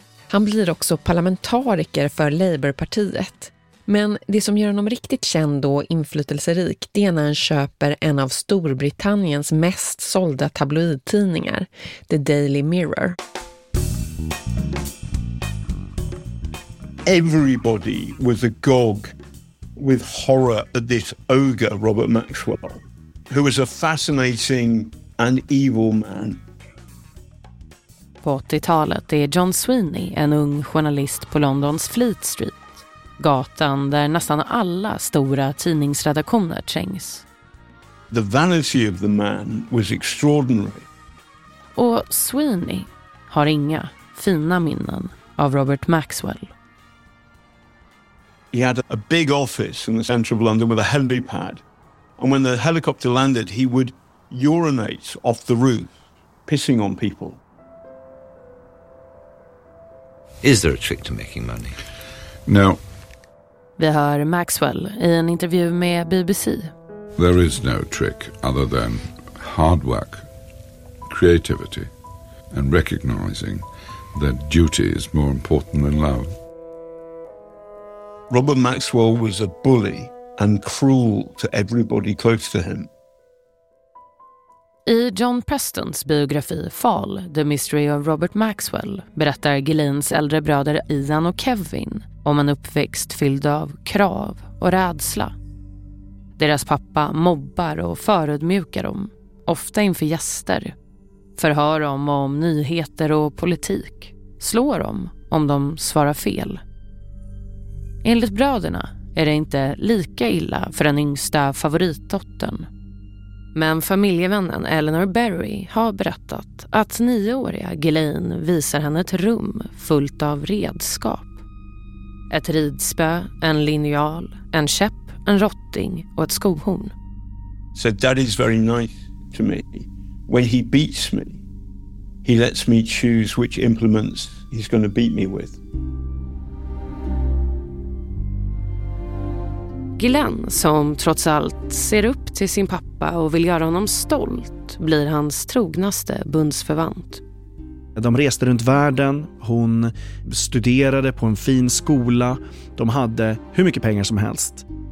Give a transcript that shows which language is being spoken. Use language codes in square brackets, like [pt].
[sv] Han blir också parlamentariker för Labourpartiet. Men det som gör honom riktigt känd och inflytelserik, det är när han köper en av Storbritanniens mest sålda tabloidtidningar, The Daily Mirror. [en] everybody was agog with horror at this ogre, Robert Maxwell, who was a fascinating and evil man. [sv] På 80-talet är John Sweeney en ung journalist på Londons Fleet Street, gatan där nästan alla stora tidningsredaktioner trängs. [en] The vanity of the man was extraordinary. [sv] Och Sweeney har inga fina minnen av Robert Maxwell. [en] He had a big office in the center of London with a helipad. And when the helicopter landed, he would urinate off the roof, pissing on people. Is there a trick to making money? No. [sv] Vi hör Maxwell i en intervju med BBC. [en] There is no trick other than hard work, creativity and recognizing that duty is more important than love. Robert Maxwell was a bully and cruel to everybody close to him. [sv] I John Prestons biografi Fall, The Mystery of Robert Maxwell, berättar Ghislaines äldre bröder Ian och Kevin om en uppväxt fylld av krav och rädsla. Deras pappa mobbar och förödmjukar dem, ofta inför gäster. Förhör dem om nyheter och politik. Slår dem om de svarar fel. Enligt bröderna är det inte lika illa för den yngsta favoritdottern. Men familjevännen Eleanor Berry har berättat att 9-åriga Ghislaine visar henne ett rum fullt av redskap. Ett ridspö, en linjal, en käpp, en rotting och ett skohorn. [en] So that is very nice to me. When he beats me, he lets me choose which implements he's going to beat me with. [sv] Ghislaine, som trots allt ser upp till sin pappa och vill göra honom stolt, blir hans trognaste bundsförvant. De reste runt världen, hon studerade på en fin skola, de hade hur mycket pengar som helst.